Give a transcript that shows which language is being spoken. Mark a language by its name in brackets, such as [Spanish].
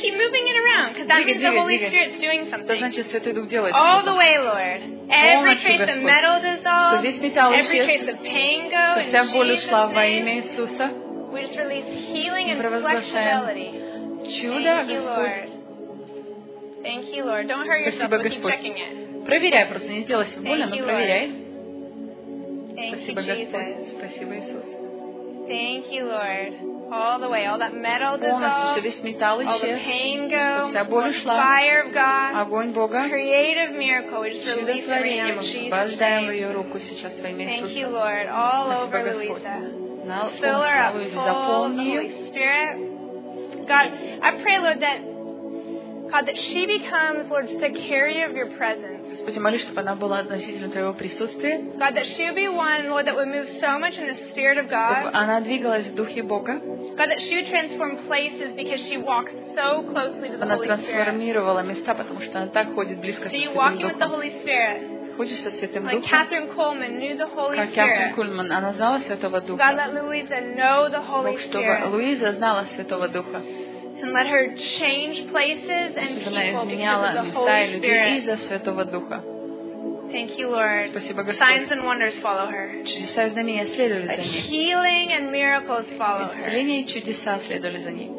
[English] Keep moving it around, because that means the Holy Spirit's doing something. [Russian] Это значит, Святой Дух делает. [English] All the way, Lord. Every trace of metal dissolved. [Russian] Что весь металл исчез. [English] Every trace of pain go. [Russian] Вся боль ушла во имя Иисуса. [English] We just release healing and flexibility. [Russian] Чудо, Господь. [English] Thank you, Lord. Don't hurt yourself. Keep checking it. [Russian] Проверяй просто, не делай себе больно, но проверяй. Спасибо, Господь. Спасибо, Иисус. [English] Thank you, Lord. All the way, all that metal dissolved, all the pain go, the fire of God, [Russian] огонь Бога, [English] creative miracle, we just release everything in Jesus' name. Thank you, Lord, all [Russian] Спасибо, [English] over [Russian] Господь. Луиза. [English] Now, fill her up, full [Russian] Луиза, [English] of the Holy Spirit. God, I pray, Lord, that God, that she becomes, Lord, just a carrier of your presence. [Russian] Господи, молюсь, чтобы она была относительно твоего присутствия. [English] God, that she would be one, Lord, that would move so much in the Spirit of God. [Russian] Чтобы она двигалась в духе Бога. [English] God, that she would transform places because she walks so closely to the Holy Spirit. [Russian] Она трансформировала места, потому что она так ходит близко к Святому Духу. [English] So you walking with the Holy Spirit. [Russian] Ходишь со Святым Духом. [English] Like Catherine Coleman knew the Holy Spirit. [Russian] Как Catherine Coleman, она знала Святого Духа. [English] God, let Louisa know the Holy Spirit. [Russian] Чтобы Луиза знала Святого Духа. [English] And let her change places and people because of the Holy Spirit. Thank you, Lord. [Russian] Спасибо, Господь. [English] Signs and wonders follow her. [Russian] Чудеса и знамения следовали за ней. [English] Healing and miracles follow her. [Russian] Исцеление и чудеса следовали за ней.